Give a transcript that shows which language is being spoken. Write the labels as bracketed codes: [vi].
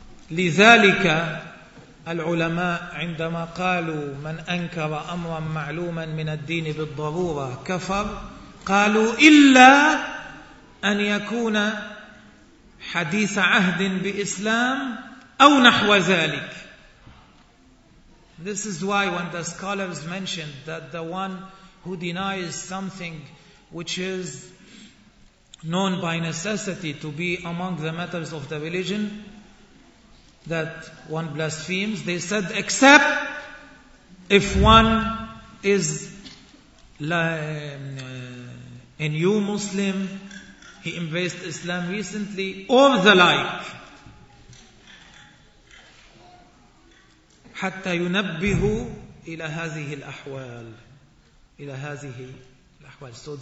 [ar] لذلك العلماء عندما قالوا من أنكر أمرا معلوما من الدين بالضرورة كفر، قالوا إلا أن يكون حديث عهد بإسلام أو نحو ذلك. [en] This is why when the scholars mentioned that the one who denies something which is known by necessity to be among the matters of the religion, that one blasphemes, they said except if one is a new Muslim, he embraced Islam recently, or the like. [ar] حتى ينبه إلى هذه الأحوال، إلى هذه الأحوال.